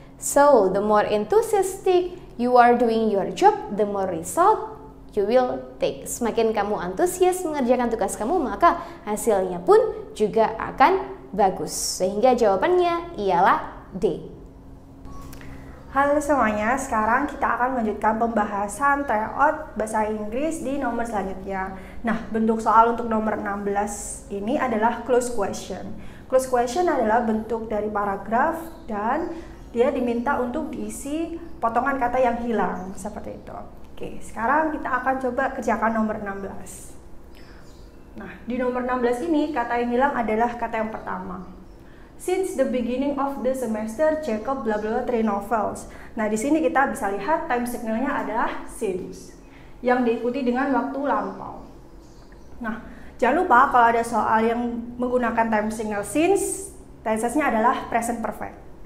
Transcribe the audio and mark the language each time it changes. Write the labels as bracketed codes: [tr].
[en] So, the more enthusiastic you are doing your job, the more result you will take. [id] Semakin kamu antusias mengerjakan tugas kamu, maka hasilnya pun juga akan bagus. Sehingga jawabannya ialah D. Halo semuanya, sekarang kita akan melanjutkan pembahasan tryout bahasa Inggris di nomor selanjutnya. Nah, bentuk soal untuk nomor 16 ini adalah close question. Close question adalah bentuk dari paragraf dan dia diminta untuk diisi potongan kata yang hilang, seperti itu. Oke, sekarang kita akan coba kerjakan nomor 16. Nah, di nomor 16 ini kata yang hilang adalah kata yang pertama. [en] Since the beginning of the semester, Jacob bla bla three novels. [id] Nah, di sini kita bisa lihat time signal-nya adalah since yang diikuti dengan waktu lampau. Nah, jangan lupa kalau ada soal yang menggunakan time signal since, tenses-nya adalah present perfect.